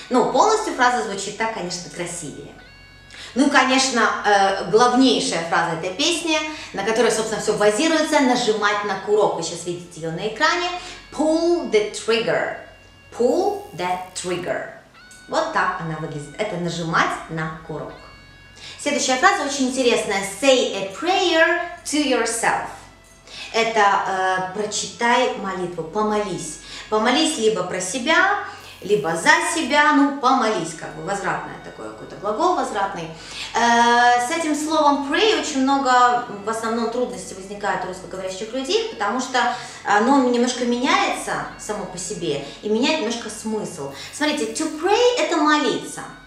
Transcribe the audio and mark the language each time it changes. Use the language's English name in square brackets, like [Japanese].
[Russian] Ну, полностью фраза звучит так, конечно, красивее. Ну и, конечно, главнейшая фраза этой песни, на которой, собственно, все базируется, нажимать на курок. Вы сейчас видите ее на экране. [English] «Pull the trigger». «Pull the trigger». [Russian] Вот так она выглядит. Это нажимать на курок. Следующая фраза очень интересная. [English] Say a prayer to yourself. [Russian] Это прочитай молитву, помолись. Помолись либо про себя, либо за себя, ну помолись, как бы возвратное такое, какой-то глагол возвратный. С этим словом pray очень много, в основном, трудностей возникает у русскоговорящих людей, потому что оно немножко меняется само по себе и меняет немножко смысл. Смотрите, to pray – это молиться.